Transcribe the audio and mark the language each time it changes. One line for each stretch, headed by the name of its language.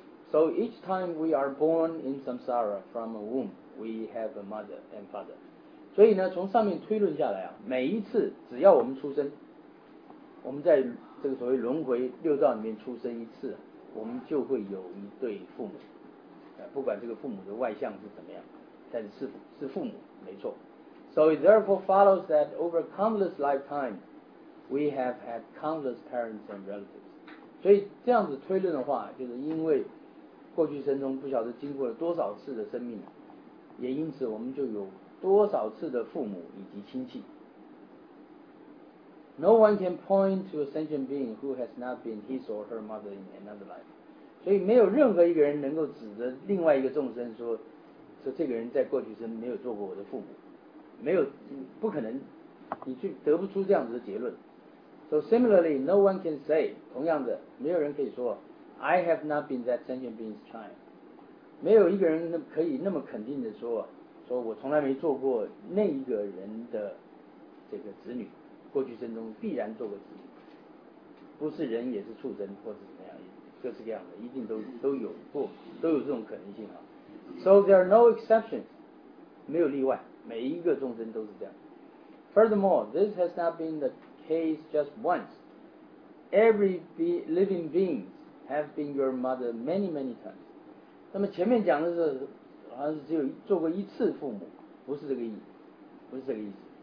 English: So each time we are born in samsara from a womb, we have a mother and father.
Chinese: 所以呢，从上面推论下来啊，每一次只要我们出生，我们在这个所谓轮回六道里面出生一次，我们就会有一对父母，不管这个父母的外相是怎么样。但是是父母没错。
English: So it therefore follows that over countless lifetime we have had countless parents and relatives.
Chinese: 所以这样子推论的话，就是因为过去生中不晓得经过了多少次的生命，也因此我们就有多少次的父母以及亲戚。
English: No one can point to a sentient being who has not been his or her mother in another life.
Chinese: 所以没有任何一个人能够指着另外一个众生说这个人在过去生没有做过我的父母，没有，不可能，你去得不出这样子的结论。
English: So similarly, no one can say,
Chinese: 同样的，没有人可以说
English: I have not been that sentient being's child.
Chinese: 没有一个人可以那么肯定的说我从来没做过那一个人的这个子女，过去生中必然做过子女，不是人也是畜生或者怎么样，各式各样的，一定都有过，都有这种可能性啊。
English: So there are no exceptions,
Chinese: 没有例外，每一个众生都是这样。
English: Furthermore, this has not been the case just once. Every living being has been your mother many, many times.
Chinese: 那么前面讲的是好像是只有做过一次父母，不是这个意思，不是这个意思。